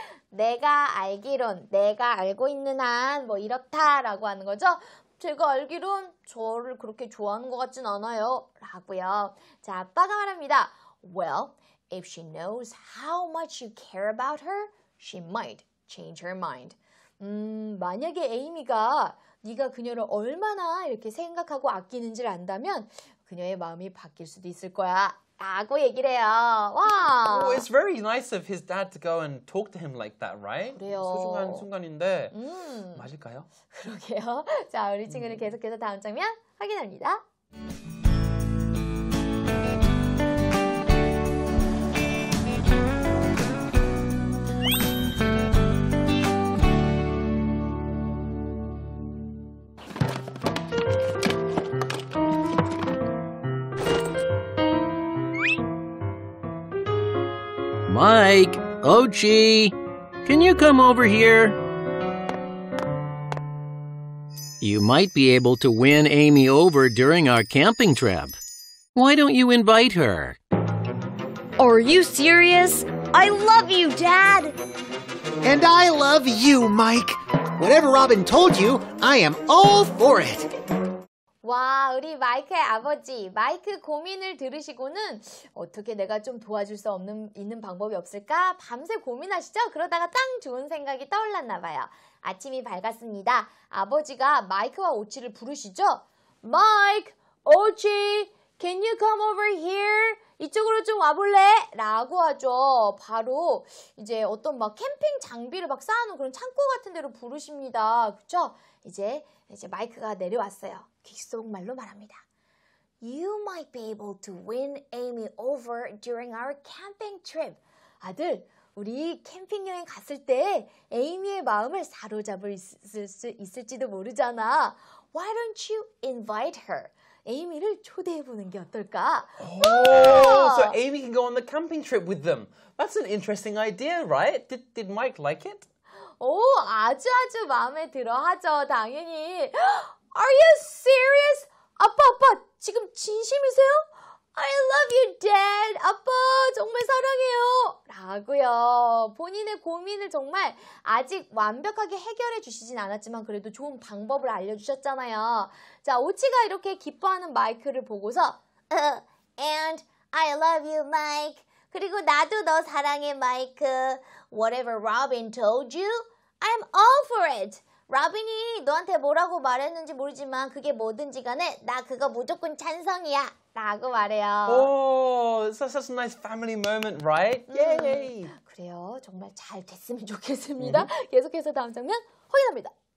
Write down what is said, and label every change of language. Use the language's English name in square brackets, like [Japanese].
[Korean] 내가 알기론, 내가 알고 있는 한 뭐 이렇다라고 하는 거죠. 제가 알기론 저를 그렇게 좋아하는 것 같진 않아요. 라고요. 자, 아빠가 말합니다. [English] Well, if she knows how much you care about her, she might change her mind. [Korean] 만약에 에이미가 네가 그녀를 얼마나 이렇게 생각하고 아끼는지를 안다면 그녀의 마음이 바뀔 수도 있을 거야. 라고 얘기를 해요. 와. [English] Oh, it's very nice of his dad to go and talk to him like that, right? [Korean] 그래요. 소중한 순간인데 맞을까요? 그러게요. 자, 우리 친구는 계속해서 다음 장면 확인합니다. [English] Mike, Ochi, can you come over here? You might be able to win Amy over during our camping trip. Why don't you invite her? Are you serious? I love you, Dad! And I love you, Mike. Whatever Robin told you, I am all for it. [Korean] 와, 우리 마이크의 아버지, 마이크 고민을 들으시고는 어떻게 내가 좀 도와줄 수 없는 있는 방법이 없을까? 밤새 고민하시죠? 그러다가 딱 좋은 생각이 떠올랐나 봐요. 아침이 밝았습니다. 아버지가 마이크와 오치를 부르시죠? [English] Mike, Ochi, can you come over here? [Korean] 이쪽으로 좀 와볼래? 라고 하죠. 바로 이제 어떤 막 캠핑 장비를 막 쌓아놓은 그런 창고 같은 데로 부르십니다. 그쵸? 이제 마이크가 내려왔어요. 귓속말로 말합니다. [English] You might be able to win Amy over during our camping trip. [Korean] 아들, 우리 캠핑 여행 갔을 때 에이미의 마음을 사로잡을 수 있을지도 모르잖아. [English] Why don't you invite her? [Korean] 에이미를 초대해보는 게 어떨까? [English] So Amy can go on the camping trip with them. That's an interesting idea, right? Did Mike like it? [Korean] 오, 아주 아주 마음에 들어 하죠, 당연히. [English] Are you serious? [Korean] 아빠, 지금 진심이세요? [English] I love you, Dad. [Korean] 아빠, 정말 사랑해요. 라고요. 본인의 고민을 정말 아직 완벽하게 해결해 주시진 않았지만 그래도 좋은 방법을 알려주셨잖아요. 자, 오치가 이렇게 기뻐하는 마이크를 보고서 [English] And I love you, Mike. [Korean] 그리고 나도 너 사랑해, 마이크. [English] Whatever Robin told you, I'm all for it. [Korean] 로빈이 너한테 뭐라고 말했는지 모르지만 그게 뭐든지 간에 나 그거 무조건 찬성이야. 라고 말해요. [English] Oh, that's such a nice family moment, right? Yay! [Korean] 그래요. 정말 잘 됐으면 좋겠습니다. Mm-hmm. 계속해서 다음 장면 확인합니다.